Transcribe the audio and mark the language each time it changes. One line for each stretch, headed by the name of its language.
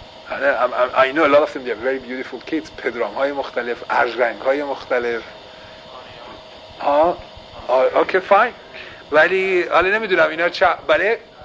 English: آره، I know a lot of them. They are very beautiful kids.
Persian: پدرام‌های مختلف، ارژنگ‌های مختلف.
English: آه، okay fine.
Persian: ولی حالا نمی‌دونم اینا چه. بله.